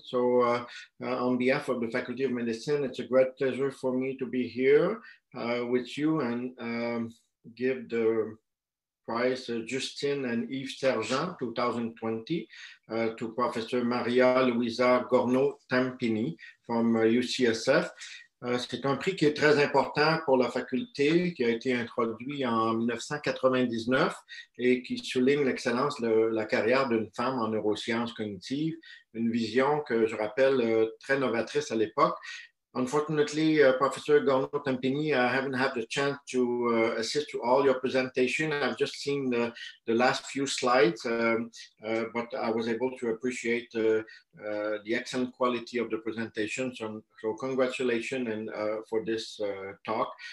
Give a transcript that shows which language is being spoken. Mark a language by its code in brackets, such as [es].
[en] So on behalf of the Faculty of Medicine, it's a great pleasure for me to be here with you and give the prize Justine and Yves Sergent 2020 to Professor Maria Luisa Gorno-Tempini from UCSF. [fr] C'est un prix qui est très important pour la faculté, qui a été introduit en 1999 et qui souligne l'excellence de la carrière d'une femme en neurosciences cognitives, une vision que je rappelle très novatrice à l'époque. [en] Unfortunately, Professor Gorno-Tempini, I haven't had the chance to assist to all your presentation. I've just seen the last few slides, but I was able to appreciate the excellent quality of the presentation. So congratulations and for this talk.